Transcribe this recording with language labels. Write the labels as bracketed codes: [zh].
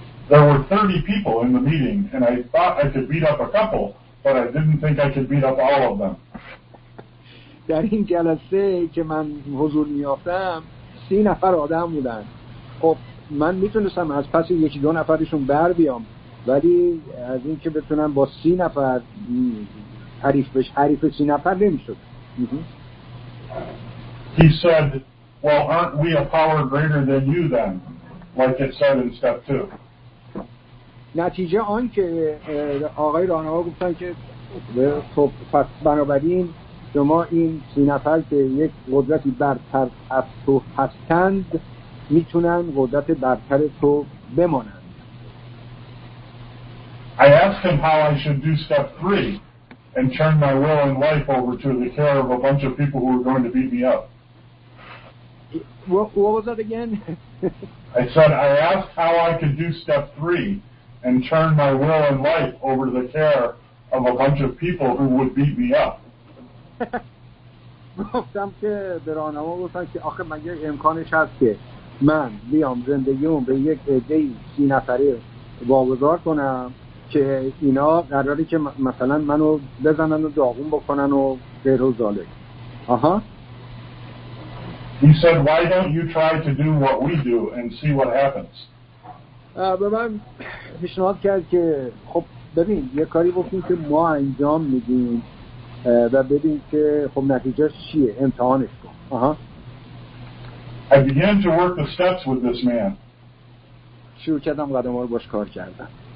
[en] There were 30 people in the meeting and I thought I could beat up a couple but I didn't think I could beat up all of them. [fa] در این جلسه که من حضور میافتم 30 نفر آدم بودن. خب من میتونستم از پس یکی دو نفرشون بر بیام، ولی از این که بتونم با 30 نفر حریف بشم، حریف 30 نفر نمیشد. [en] He said, well, aren't we a power greater than you then? Like it said in step 2. [fa] نتیجه آن که آقای راهنما گفتن که خب پس بنابراین شما این 30 نفر که یک قدرتی برتر از تو هستند میتونن قدرت برتر تو بمانند. [en] I asked him how I should do step 3 and turn my will and life over to the care of a bunch of people who are going to beat me up. What was that again? I said I asked how I could do step 3 and turn my will and life over to the care of a bunch of people who would beat me up. [fa] گفتم که به راهنما گفتم که آخه مگه امکانش هست که من بیام زندگیمون به یک عده 30 نفره واگذار کنم که اینا قراری که مثلا منو بزنن و داغون بکنن و غیر و ذالک. آها. [en] He said why don't you try to do what we do and see what happens. [fa] به من پیشنهاد کرد که خب ببین یه کاری بکنی که ما انجام میدیم و ببین که خب نتیجه چیه، امتحانش کن. آها. [en] I began to work the steps with this man. [fa] شروع کردم قدم ها رو باش کار کردم.